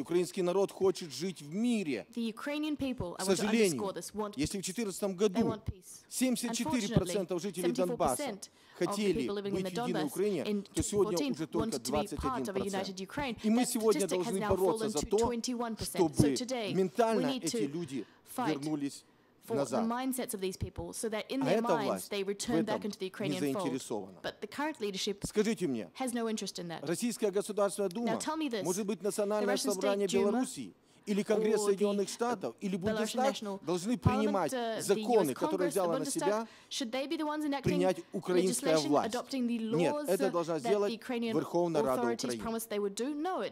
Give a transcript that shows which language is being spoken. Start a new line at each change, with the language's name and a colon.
Russian: Украинский народ хочет жить в мире. К сожалению, если в 2014 году 74% жителей Донбасса хотели быть в единой Украине, то сегодня уже только 21%. И мы сегодня должны бороться за то, чтобы ментально эти люди вернулись назад.
English: The mindsets of these people, so that in their minds they return back into the Ukrainian fold. But the current leadership has no interest in that.
Russian: Российская Государственная Дума может быть национальное собрание Белоруссии или Конгресс Соединенных Штатов или Бундестаг должны принимать законы, которые взяла на себя принять украинская власть. Нет, это должна сделать Верховная Рада Украины.